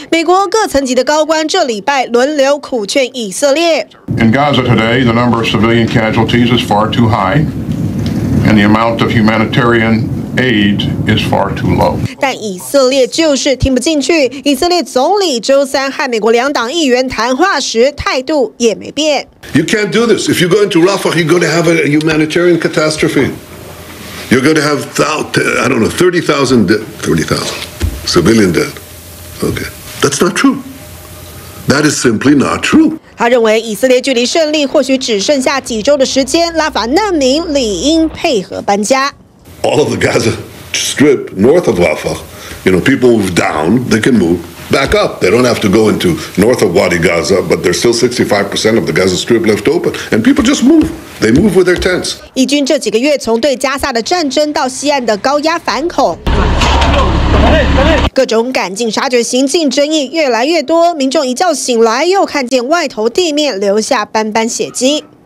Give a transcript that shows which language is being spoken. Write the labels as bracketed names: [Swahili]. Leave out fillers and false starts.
[Chinese] 美国各层级的高官这礼拜轮流苦劝以色列。 [English] In Gaza today, the number of civilian casualties is far too high, and the amount of humanitarian aid is far too low. [Chinese] 但以色列就是听不进去。以色列总理周三和美国两党议员谈话时态度也没变。 [English] You can't do this. If you go into Rafah, you're going to have a humanitarian catastrophe. You're going to have, I don't know, 30,000 dead, 30,000 civilian dead. Okay, that's not true. That is simply not true. [Chinese] 他认为以色列距离胜利或许只剩下几周的时间，拉法难民理应配合搬家。 [English] All of the Gaza Strip north of Rafah, you know, people move down, they can move back up. They don't have to go into north of Wadi Gaza, but there's still 65% of the Gaza Strip left open, and people just move. They move with their tents. [Chinese] 以军这几个月从对加萨的战争到西岸的高压反恐，各种赶尽杀绝行径争议越来越多。民众一觉醒来，又看见外头地面留下斑斑血迹。